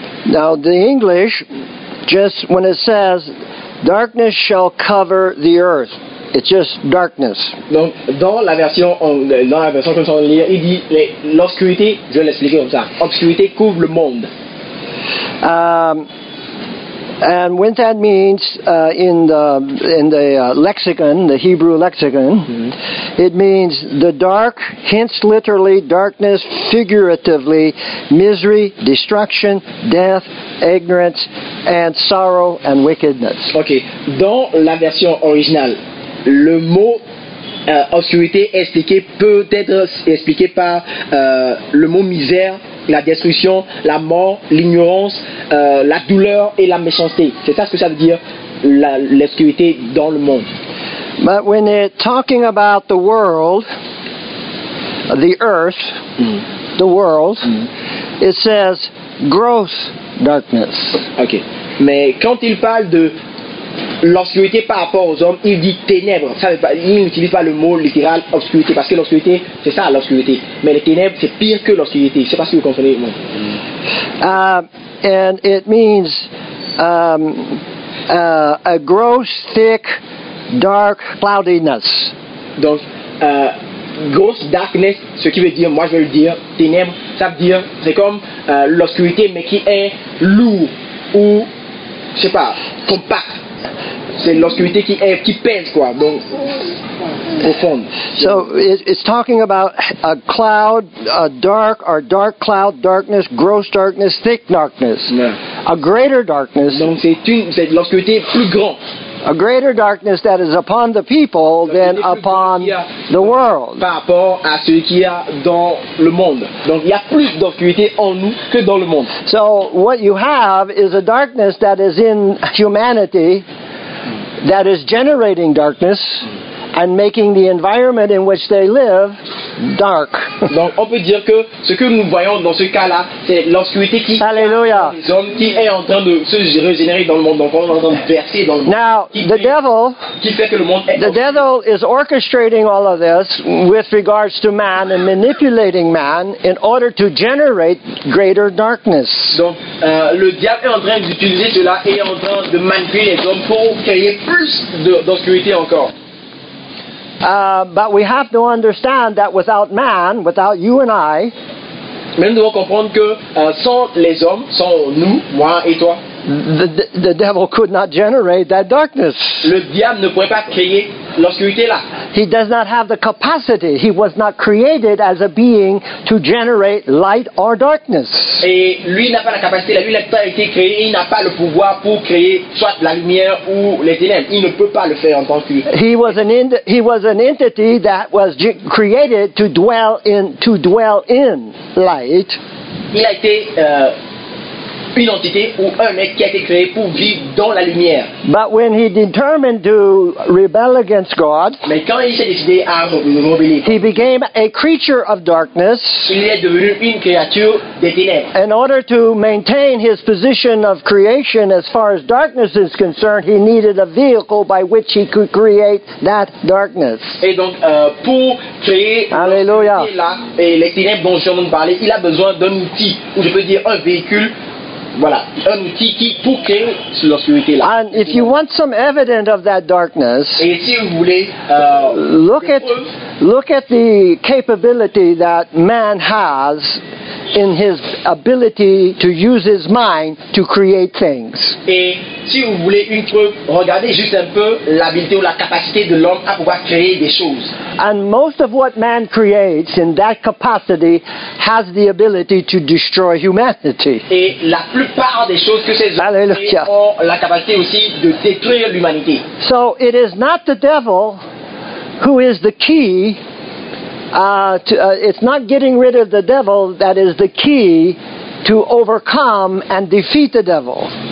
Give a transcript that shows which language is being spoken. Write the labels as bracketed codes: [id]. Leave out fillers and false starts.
[en] Now the English, just when it says, "Darkness shall cover the earth," It's just darkness. [fr] Donc dans la version que nous allons lire, il dit l'obscurité. Je vais l'expliquer comme ça. Obscurité couvre le monde. [en] And what that means lexicon, the Hebrew lexicon, it means the dark, hence literally darkness, figuratively misery, destruction, death, ignorance, and sorrow and wickedness. [fr] Okay, dans la version originale, le mot obscurité expliqué peut être expliqué par le mot misère. La destruction, la mort, l'ignorance, la douleur et la méchanceté. C'est ça ce que ça veut dire, l'obscurité dans le monde. [en] But when they're talking about the world, the earth, the world, it says gross darkness. Ok. [fr] Mais quand il parle de l'obscurité par rapport aux hommes, il dit ténèbres. Ça, il n'utilise pas le mot littéral obscurité, parce que l'obscurité, c'est ça l'obscurité. Mais les ténèbres, c'est pire que l'obscurité. Je ne sais pas si vous comprenez. Non. [en] And it means a gross, thick, dark cloudiness. [fr] Donc, [en] gross darkness, [fr] ce qui veut dire, moi je vais le dire, ténèbres, ça veut dire, c'est comme l'obscurité, mais qui est lourd ou, je sais pas, compact. C'est l'obscurité qui pèse quoi, donc profonde. [en] So it's talking about a cloud, a dark or dark cloud, darkness, gross darkness, thick darkness, a greater darkness. [fr] Donc c'est l'obscurité plus grand. [en] A greater darkness that is upon the people than upon the world. [fr] Par rapport à celui qu'il y a dans le monde. Donc il y a plus d'obscurité en nous que dans le monde. [en] So what you have is a darkness that is in humanity. That is generating darkness and making the environment in which they live dark. [fr] Donc on peut dire que ce que nous voyons dans ce cas-là, c'est l'obscurité qui Hallelujah. Les hommes qui est en train de se régénérer dans le monde, donc on est en train de verser dans le monde. [en] Now, the devil, [fr] qui fait que le monde est [en] the devil is orchestrating all of this with regards to man and manipulating man in order to generate greater darkness. [fr] Donc le diable est en train d'utiliser cela et en train de manipuler les hommes pour créer plus d'obscurité encore. [en] But we have to understand that without man, without you and I, [fr] mais nous devons comprendre que sans les hommes, sans nous, moi et toi, [en] the devil could not generate that darkness. [fr] Le diable ne pourrait pas créer l'obscurité là. [en] He does not have the capacity. He was not created as a being to generate light or darkness. [fr] Et lui n'a pas la capacité. Lui n'a pas été créé. Il n'a pas le pouvoir pour créer soit la lumière ou les ténèbres. Il ne peut pas le faire en tant que. [en] He was an entity that was created to dwell in light. [fr] Il a été une entité ou un être qui a été créé pour vivre dans la lumière. [en] But when he determined to rebel against God, [fr] mais quand il s'est décidé à rebeller, [en] he became a creature of darkness. [fr] Il est devenu une créature des ténèbres. [en] In order to maintain his position of creation as far as darkness is concerned, he needed a vehicle by which he could create that darkness. [fr] Et donc pour créer Alléluia. Les ténèbres dont je viens de parler, il a besoin d'un outil, ou je peux dire un véhicule. Voilà, un outil qui pour créer l'obscurité là. [en] And if you want some evidence of that darkness, [fr] et si vous voulez, [en] look at the capability that man has in his ability to use his mind to create things. [fr] Et si vous voulez une preuve, regardez juste un peu l'habileté ou la capacité de l'homme à pouvoir créer des choses. [en] And most of what man creates in that capacity has the ability to destroy humanity. [fr] Et la plupart des choses que ces hommes créent ont la capacité aussi de détruire l'humanité. [en] So it is not the devil who is the key. It's not getting rid of the devil that is the key to overcome and defeat the devil.